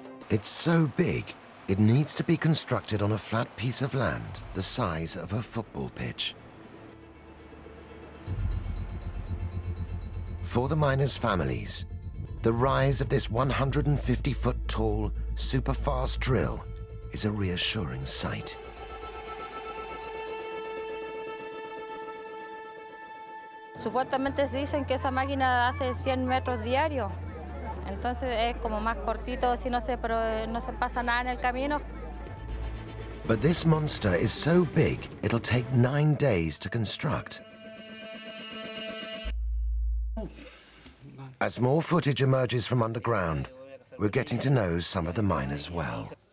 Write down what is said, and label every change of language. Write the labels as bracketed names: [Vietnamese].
[English] It's so big, it needs to be constructed on a flat piece of land the size of a football pitch. For the miners' families, the rise of this 150-foot tall, super-fast drill is a reassuring sight. [Spanish] Supuestamente dicen que esa máquina hace 100 metros diarios. Entonces es como más cortito, si no sé, pero no se pasa nada en el camino. [English] But this monster is so big, it'll take 9 days to construct. As more footage emerges from underground, we're getting to know some of the miners well.